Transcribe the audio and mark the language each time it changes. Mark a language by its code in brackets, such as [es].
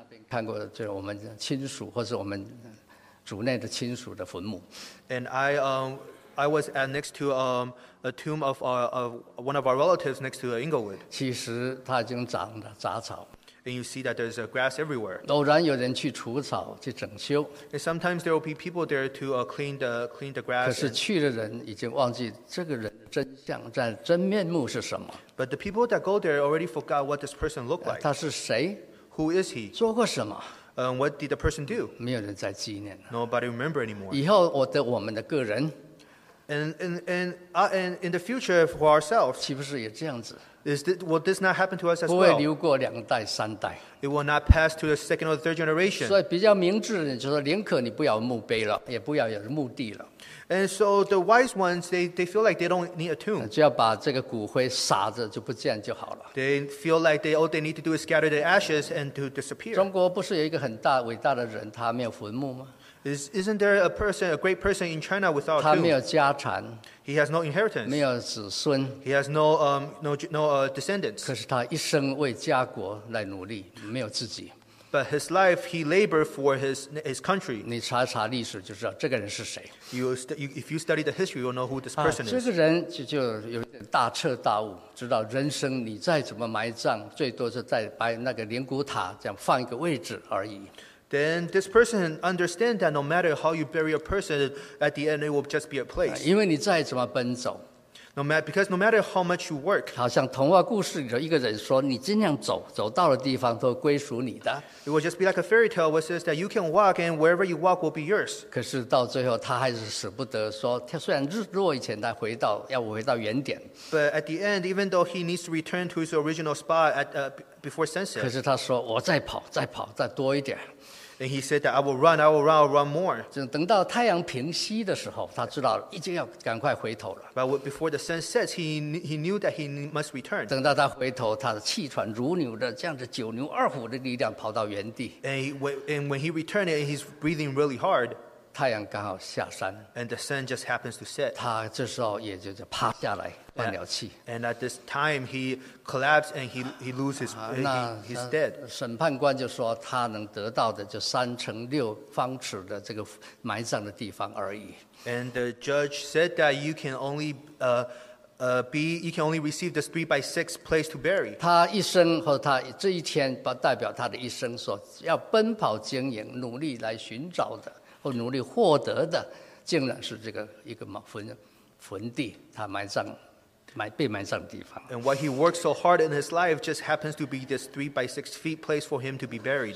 [zh] 看过就我们亲属或是我们族内的亲属的坟墓。 [en] And I was at next to a tomb of one of our relatives next to Inglewood. [zh] 其实它已经长了杂草。 [en] And you see that there's a grass everywhere. [zh] 偶然有人去除草去整修。 [en] And sometimes there will be people there to clean the grass. [zh] 可是去的人已经忘记这个人的真相在真面目是什么。 [en] But the people that go there already forgot what this person looked like. [zh] 他是谁？ [en] Who is he? [zh] 做过什么？ [en] What did the person do? [zh] 没有人在纪念了。 [en] Nobody remember anymore. [zh] 以后我们的个人。 [en] And in the future for ourselves. [zh] 岂不是也这样子？ [en] Will this not happen to us as well? [zh] 不会流过两代三代。 [en] It will not pass to the second or third generation. [zh] 所以比较明智的就是宁可你不要墓碑了，也不要有墓地了。 [en] And so the wise ones, they feel like they don't need a tomb. [zh] 只要把这个骨灰撒着就不见就好了。 [en] They feel like all they need to do is scatter the ashes and to disappear. [zh] 中国不是有一个很大伟大的人，他没有坟墓吗？ [en] Isn't there a great person in China without a tomb? [zh] 他没有家产。 [en] He has no inheritance. [zh] 没有子孙。 [en] He has no descendants. [zh] 可是他一生为家国来努力，没有自己。 [en] But his life, he labored for his country. [zh] 你查查历史就知道这个人是谁。 [en] If you study the history, you'll know who this person is. [zh] 这个人就有点大彻大悟，知道人生你再怎么埋葬，最多是在把那个灵骨塔这样放一个位置而已。 [en] Then this person understands that no matter how you bury a person, at the end it will just be a place. [zh] 因为你再怎么奔走。 [en] Because no matter how much you work, [zh] 好像童话故事里头一个人说，你尽量走，走到的地方都归属你的。 [en] It will just be like a fairy tale, which says that you can walk and wherever you walk will be yours. [zh] 可是到最后，他还是舍不得说，他虽然日落以前他回到要回到原点。 [en] But at the end, even though he needs to return to his original spot at before sunset, [zh] 可是他说，我再跑，再跑，再多一点。 [en] And he said that I will run more. [zh] 就等到太阳平息的时候，他知道已经要赶快回头了。 [en] But before the sun sets, he knew that he must return. [zh] 等到他回头，他的气喘如牛的，这样子九牛二虎的力量跑到原地。 [en] And when he returned, and he's breathing really hard. [zh] 太阳刚好下山。 [en] And the sun just happens to set. [zh] 他这时候也就趴下来换了气。 [en] And at this time, he collapsed and he loses. He's dead. [zh] 审判官就说他能得到的就三乘六方尺的这个埋葬的地方而已。 [en] And the judge said that you can only you can only receive this 3x6 place to bury. [zh] 他一生或他这一天不代表他的一生所要奔跑经营努力来寻找的。或努力获得的，竟然是这个一个坟地，他被埋葬的地方。 [en] And what he worked so hard in his life just happens to be this 3x6 feet place for him to be buried.